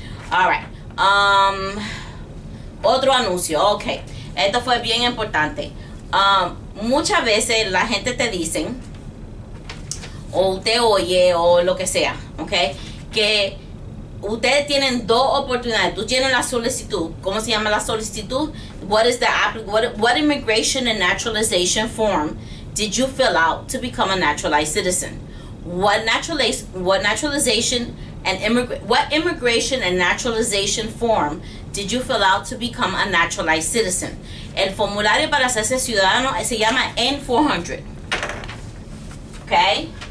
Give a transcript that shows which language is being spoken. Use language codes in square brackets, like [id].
[es] Alright, otro anuncio, ok, esto fue bien importante. Muchas veces la gente te dice, o usted oye, o lo que sea, ok, que ustedes tienen dos oportunidades. Tú tienes la solicitud, ¿cómo se llama la solicitud? [en] What immigration and naturalization form did you fill out to become a naturalized citizen? What immigration and naturalization form did you fill out to become a naturalized citizen? [es] El formulario para hacerse ciudadano se llama N-400. Ok.